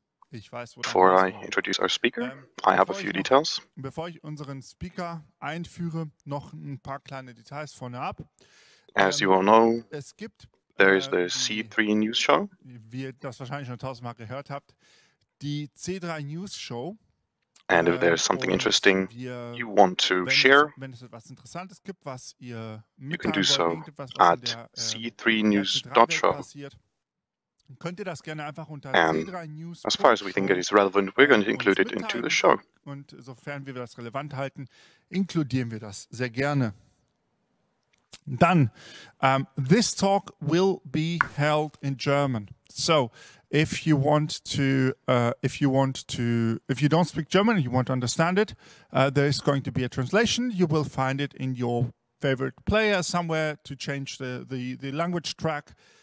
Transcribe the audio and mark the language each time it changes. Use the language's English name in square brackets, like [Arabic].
[English] Before I introduce our speaker, I have a few details. [German] Bevor ich unseren Speaker einführe, noch ein paar kleine Details vorne ab. [English] As you all know, there is the C3 News Show. [German] Wie ihr das wahrscheinlich schon tausendmal gehört habt, die C3 News Show. [English] And if there's something interesting you want to share, you can do so at c3news.show. [German] Könnt ihr das gerne einfach unter c3news. [English] As far as we think it is relevant, we're going to include it into the show. [German] Und sofern wir das relevant halten, inkludieren wir das sehr gerne. Dann, [English] this talk will be held in German. So, if you don't speak German and you want to understand it, there is going to be a translation. You will find it in your favorite player somewhere to change the language track.